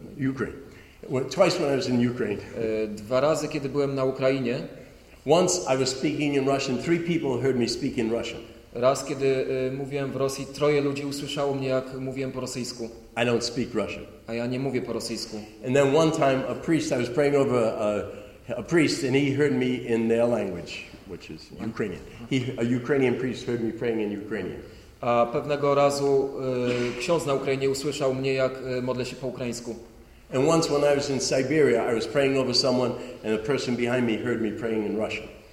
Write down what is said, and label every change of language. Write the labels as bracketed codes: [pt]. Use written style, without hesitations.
[en] Ukraine. Twice when I was in Ukraine. [pl] Dwa razy, kiedy byłem na Ukrainie. [en] Once I was speaking in Russian, 3 people heard me speak in Russian. [pl] Raz, kiedy mówiłem w Rosji, troje ludzi usłyszało mnie, jak mówiłem po rosyjsku. [en] I don't speak Russian. [pl] A ja nie mówię po rosyjsku. [en] And then one time a priest, I was praying over a priest and he heard me in their language, which is Ukrainian. A Ukrainian priest heard me praying in Ukrainian. [pl] A pewnego razu ksiądz na Ukrainie usłyszał mnie, jak modlę się po ukraińsku. [en] And once when I was in Siberia, I was praying over someone and a person behind me heard me praying in Russian.